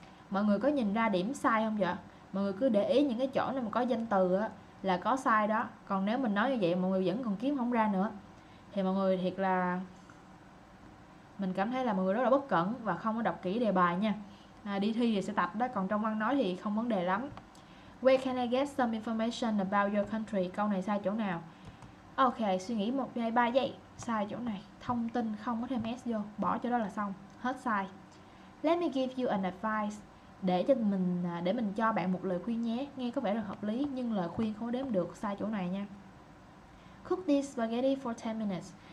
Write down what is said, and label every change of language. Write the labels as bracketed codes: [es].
[vi] Mọi người có nhìn ra điểm sai không vậy? Mọi người cứ để ý những cái chỗ nào mà có danh từ á, là có sai đó. Còn nếu mình nói như vậy mọi người vẫn còn kiếm không ra nữa thì mọi người thiệt là mình cảm thấy là mọi người rất là bất cẩn và không có đọc kỹ đề bài nha. À, đi thi thì sẽ tập đó, còn trong văn nói thì không vấn đề lắm. [en] Where can I get some information about your country? [vi] Câu này sai chỗ nào? Ok, suy nghĩ 1, 2, 3 giây. Sai chỗ này. Thông tin không có thêm S vô. Bỏ chỗ đó là xong. Hết sai. [en] Let me give you an advice. [vi] Để mình cho bạn một lời khuyên nhé. Nghe có vẻ là hợp lý, nhưng lời khuyên không đếm được. Sai chỗ này nha. [en] Cook this spaghetti for 10 minutes.